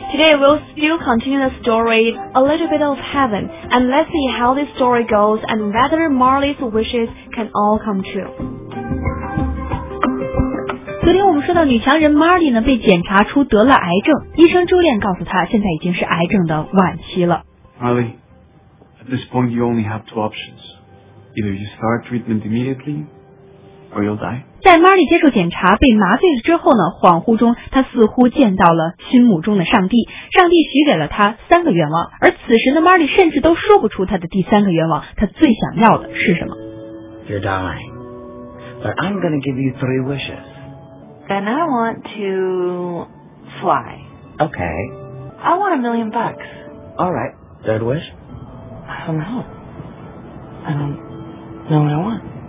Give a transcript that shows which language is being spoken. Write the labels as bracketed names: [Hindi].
[English] Today we'll still continue the story A Little Bit of Heaven, and let's see how this story goes and whether Marley's wishes can all come true. [Chinese] 昨天我们说到女强人 Marley 呢被检查出得了癌症，医生朱莲告诉她现在已经是癌症的晚期了。 [English] Marley, at this point you only have two options. Either you start treatment immediately or you'll die. [Chinese] 在 Marley 接受检查被麻醉了之后呢，恍惚中她似乎见到了心目中的上帝，上帝许给了她三个愿望，而此时的 Marley 甚至都说不出她的第三个愿望，她最想要的是什么。 [English] You're dying, but I'm gonna give you three wishes. Then I want to fly. Okay. I want $1,000,000. All right. Third wish? I don't know. I don't know what I want.